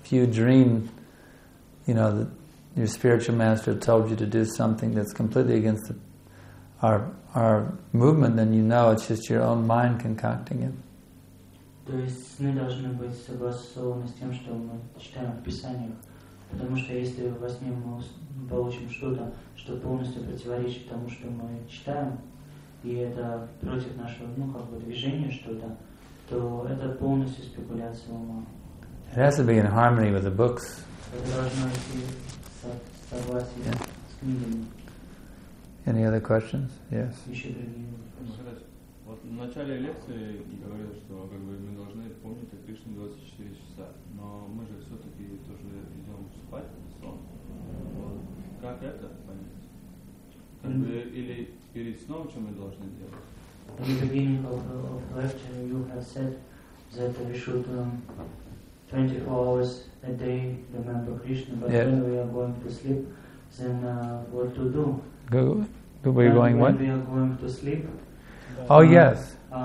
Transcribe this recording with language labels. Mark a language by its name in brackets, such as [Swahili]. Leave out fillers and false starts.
[English] If you dream, you know, that your spiritual master told you to do something that's completely against our movement, then you know it's just your own mind concocting it. [Russian] То есть сны должны быть согласованы с тем, что мы читаем в Писаниях. Потому что если во сне мы получим что-то, что полностью противоречит тому, что мы читаем, и это против нашего, ну, как бы движения что-то, то это полностью спекуляция ума. [English] It has to be in harmony with the books. [Russian] Это должно идти согласие с книгами. [English] Any other questions? Yes. [Russian] Еще другие вопросы. Вот в начале лекции я говорил, что как бы мы должны помнить о Кришне 24 часа, но мы же все-таки тоже идем спать, сон. Вот. Как это понять? Как бы, или перед сном, что мы должны делать? [English] In the beginning of lecture you have said that we should 24 hours a day remember Krishna, but yeah. When we are going to sleep, then what to do? Go, When we are going to sleep. Oh, yes.